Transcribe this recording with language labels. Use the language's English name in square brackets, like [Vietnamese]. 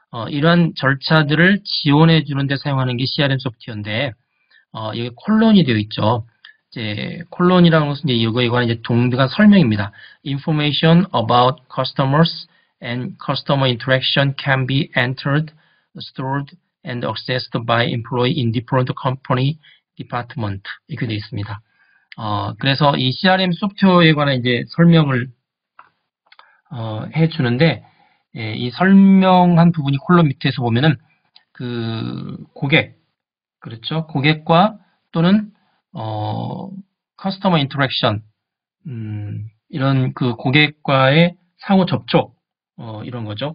[Korean] 이러한 절차들을 지원해 주는 데 사용하는 게 CRM 소프트웨어인데 여기 콜론이 되어 있죠. 이제 콜론이라는 것은 이제 이거에 관한 이제 동등한 설명입니다. [English] Information about customers and customer interaction can be entered, stored and accessed by employee in different company department [Korean] 이렇게 되어 있습니다. 그래서 이 CRM 소프트웨어에 관한 이제 설명을 해 주는데 예, 이 설명한 부분이 콜론 밑에서 보면은 그 고객 그렇죠? 고객과 또는 커스터머 인터랙션 이런 그 고객과의 상호 접촉 이런 거죠.